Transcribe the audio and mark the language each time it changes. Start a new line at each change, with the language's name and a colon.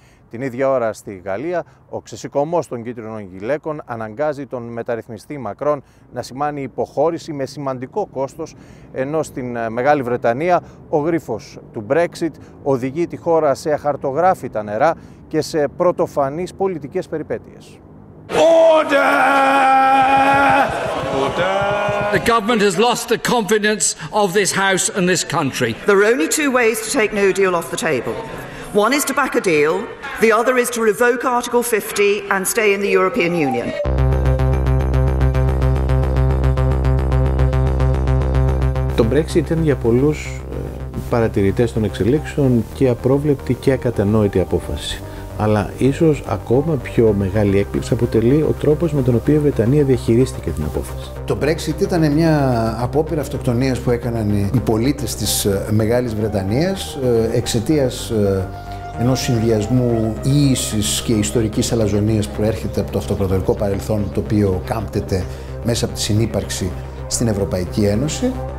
Greek: Την ίδια ώρα στη Γαλλία, ο ξεσηκωμός των κίτρινων γυλαίκων αναγκάζει τον μεταρρυθμιστή Μακρόν να σημάνει υποχώρηση με σημαντικό κόστος, ενώ στην Μεγάλη Βρετανία ο γρίφος του Brexit οδηγεί τη χώρα σε αχαρτογράφητα νερά και σε πρωτοφανείς πολιτικές περιπέτειες.
English: Order! The government has lost the confidence of this house and this country. There are only two ways to take no deal off the table. One is to back a deal, the other is to revoke Article 50 and stay in the European Union.
Greek: Το Brexit ήταν για πολλούς παρατηρητές των εξελίξεων και απρόβλεπτη και ακατανόητη απόφαση. Αλλά ίσως ακόμα πιο μεγάλη έκπληξη αποτελεί ο τρόπος με τον οποίο η Βρετανία διαχειρίστηκε την απόφαση. Το Brexit ήταν μια απόπειρα αυτοκτονίας που έκαναν οι πολίτες της Μεγάλης Βρετανίας εξαιτίας ενός συνδυασμού ίησης και ιστορικής αλαζονίας που έρχεται από το αυτοκρατορικό παρελθόν το οποίο κάμπτεται μέσα από τη συνύπαρξη στην Ευρωπαϊκή Ένωση.